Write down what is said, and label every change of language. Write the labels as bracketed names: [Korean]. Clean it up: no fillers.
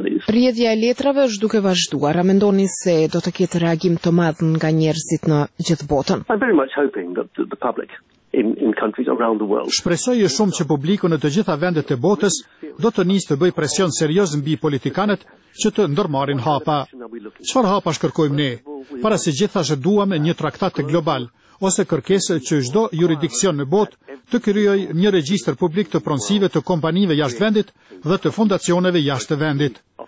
[Albanian] Rrjedhja e letrave është duke vazhduar. A mendoni se do të ketë reagim të madh nga njerëzit në gjithë botën? [English] I'm very much hoping that the public in countries around the world. [Albanian] Shpresoj shumë që publiku në të gjitha vendet e botës do të nisë të bëjë presion serioz mbi politikanët që të ndërmarrin hapa. Çfarë hapa shkërkojmë ne? Para se gjithashtu duam një traktat global ose kërkesë që çdo juridiksion në botë të krijojë një regjistër publik të pronësive të kompanive jashtë vendit dhe të fundacioneve jashtë vendit.